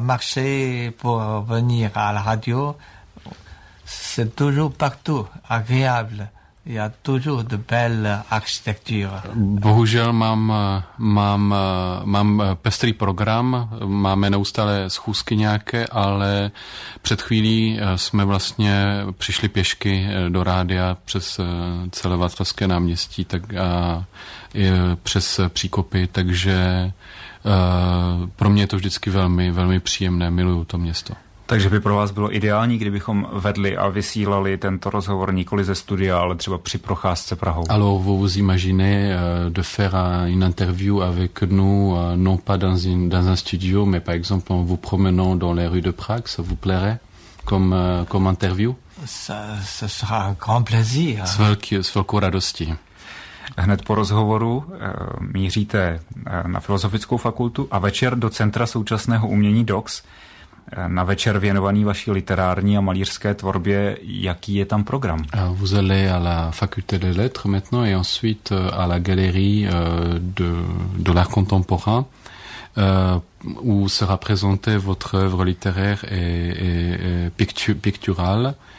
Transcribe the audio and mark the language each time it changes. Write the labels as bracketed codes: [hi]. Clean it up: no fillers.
[fr] marché pour venir à la radio. C'est toujours partout agréable. Il y a toujours de belles architectures. [cs] Bohužel mám pestrý program, máme neustále schůzky nějaké, ale před chvílí jsme vlastně přišli pěšky do rádia přes celé Václavské náměstí i přes příkopy, takže pro mě je to vždycky velmi, velmi příjemné, miluju to město. Takže by pro vás bylo ideální, kdybychom vedli a vysílali tento rozhovor nikoli ze studia, ale třeba při procházce Prahou. [fr] Alors vous vous imaginez de faire une interview avec nous non pas dans un studio mais par exemple en vous promenant dans les rues de Prague, ça vous plairait comme interview? Ce sera un grand plaisir. [cs] S velkou radostí. Hned po rozhovoru míříte na Filozofickou fakultu a večer do Centra současného umění DOX. Na večer věnovaný vaší literární a malířské tvorbě, jaký je tam program? [fr] Vous allez à la faculté des lettres maintenant et ensuite à la galerie de l'art contemporain où sera présentée votre œuvre littéraire et picturale.